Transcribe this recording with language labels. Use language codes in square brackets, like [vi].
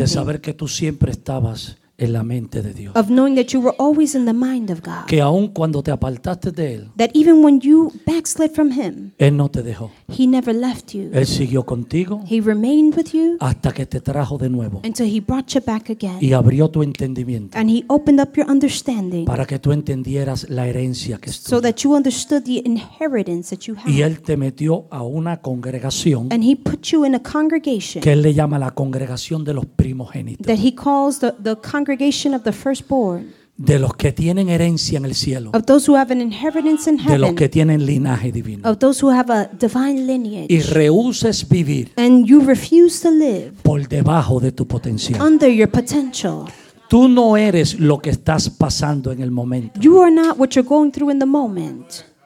[es] de saber que tú siempre estabas en la mente de Dios, [en] of knowing that you were always in the mind of God, [es] que aun cuando te apartaste de él, [en] that even when you backslid from him, [es] él no te dejó, [en] he never left you, [es] él siguió contigo, [en] he remained with you, [es] hasta que te trajo de nuevo, [en] until he brought you back again, [es] y abrió tu entendimiento, [en] and he opened up your understanding, [es] para que tú entendieras la herencia que es tuya, [en] so that you understood the inheritance that you have, [es] y él te metió a una congregación, [en] and he put you in a congregation, [es] que él le llama la congregación de los primogénitos, [en] that he calls the congregation of the firstborn, [es] de los que tienen herencia en el cielo, [en] of those who have an inheritance in heaven, [es] de los que tienen linaje divino, [en] of those who have a divine lineage, [es] y rehuses vivir, [en] and you refuse to live, [es] por debajo de tu potencial, [en] under your potential. [es] Tú no eres lo que estás pasando en el momento, [en] you are not what you're going through in the moment.